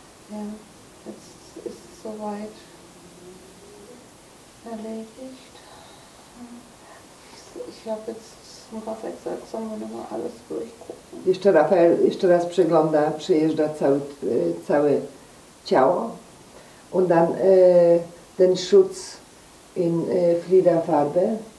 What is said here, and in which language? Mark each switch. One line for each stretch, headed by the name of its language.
German: Ja, jetzt ist es soweit erledigt. Ich habe jetzt Rafael gesagt, sollen wir nochmal alles durchgucken.
Polish: Jeszcze Rafael jeszcze raz przegląda, przejeżdża całe ciało.
German: Und dann den Schutz in Fliederfarbe.